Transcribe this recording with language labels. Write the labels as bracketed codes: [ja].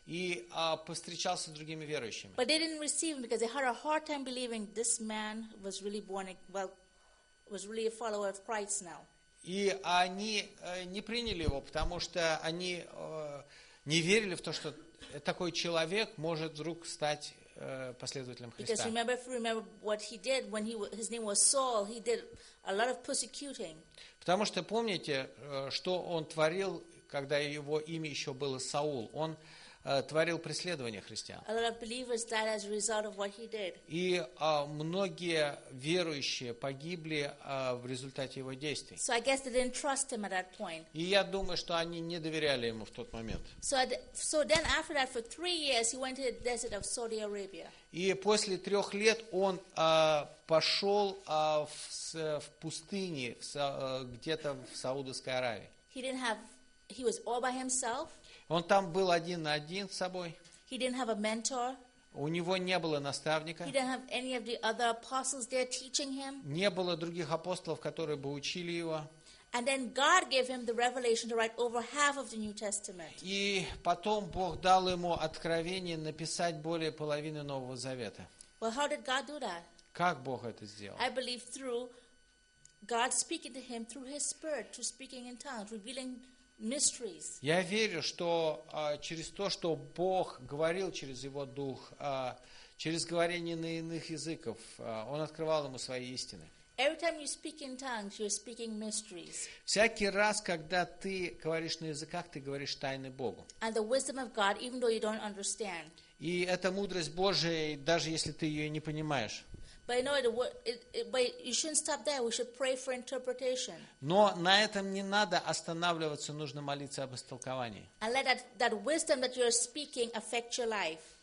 [ru] И повстречался с другими верующими. [en] But they didn't receive him because they had a hard time believing this man was really born, well, was really a follower of Christ now. [ru] И они не приняли его, потому что они не верили в то, что такой человек может вдруг стать последователем Христа. [en] Because remember, if you remember what he did when he his name was Saul, he did a lot of persecuting. [ru] Потому что помните, что он творил, когда его имя еще было Саул. Он творил преследование христиан. [en] A lot of believers died as a result of what he did. [ru] И многие верующие погибли в результате его действий. [en] So I guess they didn't trust him at that point. [ru] И я думаю, что они не доверяли ему в тот момент. [en] So then after that, for 3 years, he went to the desert of Saudi Arabia. [ru] И после 3 лет он пошел в пустыне где-то в Саудовской Аравии. [en] He was all by himself. [ru] Он там был один на один с собой. [en] He didn't have a mentor. [ru] У него не было наставника. [en] He didn't have any of the other apostles there teaching him. [ru] Не было других апостолов, которые бы учили его. [en] And then God gave him the revelation to write over half of the New Testament. [ru] И потом Бог дал ему откровение написать более половины Нового Завета. [en] Well, how did God do that? [ru] Как Бог это сделал? [en] I believe through God speaking to him through His Spirit, through speaking in tongues, revealing mysteries. [ru] Я верю, что через то, что Бог говорил через его дух, через говорение на иных языках, он открывал ему свои истины. [en] Every time you speak in tongues, you're speaking mysteries. [ru] Всякий раз, когда ты говоришь на языках, ты говоришь тайны Богу. [en] And the wisdom of God, even though you don't understand. [ru] И это мудрость Божия, даже если ты ее не понимаешь. [en] But you shouldn't stop there. We should pray for interpretation. [ru] Но на этом не надо останавливаться. Нужно молиться об истолковании. [en] And let that wisdom that you're speaking affect your life.